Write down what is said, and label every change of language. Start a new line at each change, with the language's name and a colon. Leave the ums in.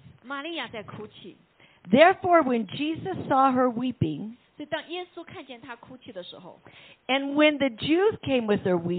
English: Mary Therefore, when Jesus saw her weeping, weeping，
Chinese: 所以当耶稣看见她哭泣的时候
English: ，and when the Jews came with her